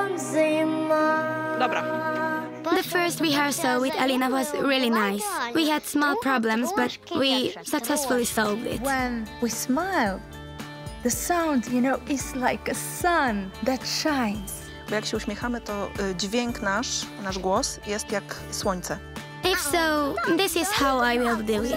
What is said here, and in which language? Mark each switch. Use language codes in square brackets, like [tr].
[pl] Dobra. [en] The first rehearsal with Elina was really nice. We had small problems, but we successfully solved it. When we smile, the sound, you know, is like a sun that shines. [pl] Bo jak się uśmiechamy, to dźwięk nasz głos jest jak słońce. [en] If so, this is how I will do it.